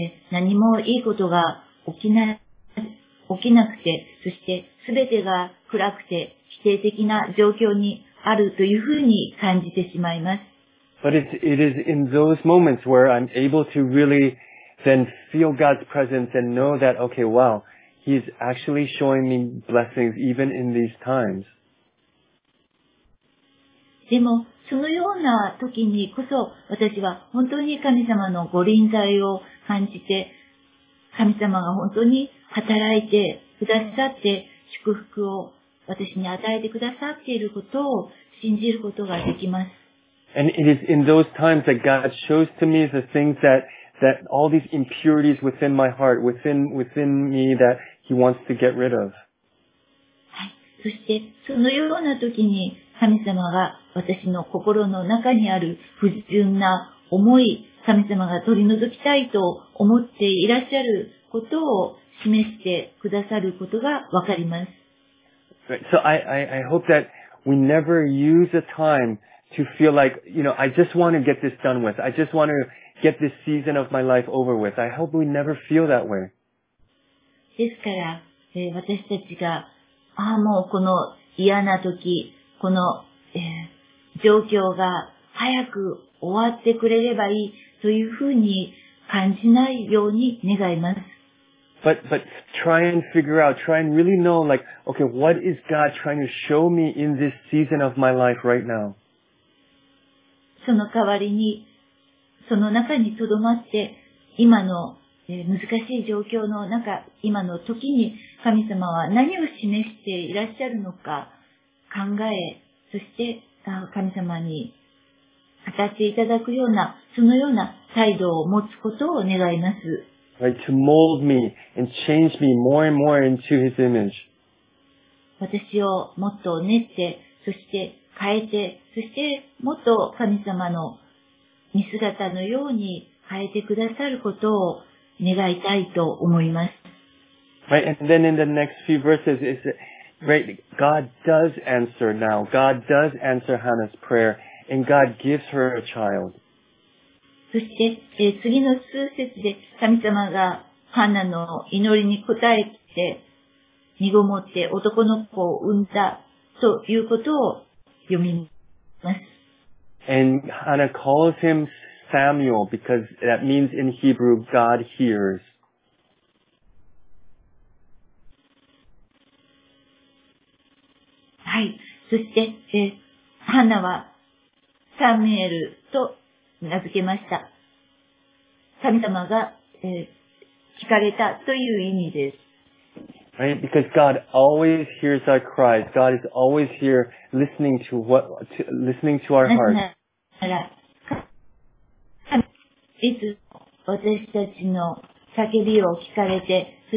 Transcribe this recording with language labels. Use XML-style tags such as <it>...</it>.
<ja>何もいいことが起きなくて、そして全てが暗くて否定的な状況にあるというふうに感じてしまいます。</ja> <en>But it is in those moments where I'm able to really then feel God's presence and know that, okay, wow, He's actually showing me blessings even in these times.</en> <ja>でも、そのような時にこそ私は本当に神様のご臨在を感じて、神様が本当に働いてくださって、祝福を私に与えてくださっていることを信じることができます。</ja> <en>And it is in those times that God shows to me the things that all these impurities within my heart, within me that He wants to get rid of.</en> <ja>はい。そして、そのような時に神様が私の心の中にある不純な思い、神様が取り除きたいと思っていらっしゃることを示してくださることがわかります。</ja> <en>Right. So I hope that we never use a time to feel like, you know, I just want to get this done with. I just want to get this season of my life over with. I hope we never feel that way.</en> <ja>ですから、私たちが、ああ、もうこの嫌な時、この、状況が早く終わってくれればいい、というふうに感じないように願います。</ja> <en>But try and figure out, try and really know, like, okay, what is God trying to show me in this season of my life right now?</en> <ja>その代わりに、その中に留まって、今の、難しい状況の中、今の時に神様は何を示していらっしゃるのか考え、そして、神様にっていただくような、そのような態度を持つことを願います。</ja> <en>Right, to mold me and change me more and more into his image.</en> <ja>私をもっと練って、そして変えて、そしてもっと神様の見姿のように変えてくださることを願いたいと思います。</ja> <en>Right, and then in the next few verses, it's, right, God does answer now. God does answer Hannah's prayer, and God gives her a child.</en> <ja>そして、次の数節で神様がハナの祈りに応えて、身ごもって男の子を産んだということを読みます。</ja> <en>And Hannah calls him Samuel because that means in Hebrew, God hears.</en> <ja>はい。そして、ハナはサムエルと名付けました。神様が、聞かれたという意味です。</ja> <en>Right? Because God always hears our cries. God is always here listening to what, to, listening to our heart.</en> <ja>なら、いつ私たちの叫びを聞かれて、</ja>